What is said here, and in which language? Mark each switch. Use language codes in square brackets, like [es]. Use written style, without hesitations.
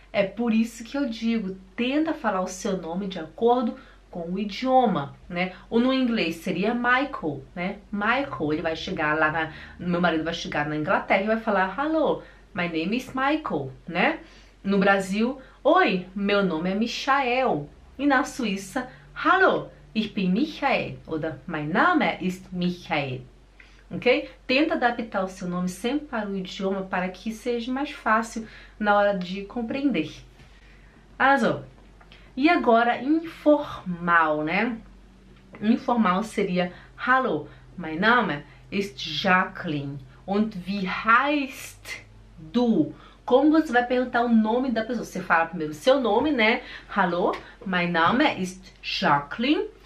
[pt] É por isso que eu digo, tenta falar o seu nome de acordo com o idioma, né? Ou no inglês seria Michael, né? Michael, ele vai chegar lá, meu marido vai chegar na Inglaterra e vai falar, [en] Hello, my name is Michael, [pt] né? No Brasil, Oi, meu nome é Michael. E na Suíça, [de] Hallo, ich bin Michael. Ou da, mein Name ist Michael. [pt] Ok? Tenta adaptar o seu nome sempre para o idioma para que seja mais fácil na hora de compreender. Also, e agora informal, né? Informal seria [de] Hallo, mein Name ist Jacqueline. Und wie heißt du? [pt] Como você vai perguntar o nome da pessoa? Você fala primeiro o seu nome, né? [de] Hallo, mein Name ist Jacqueline.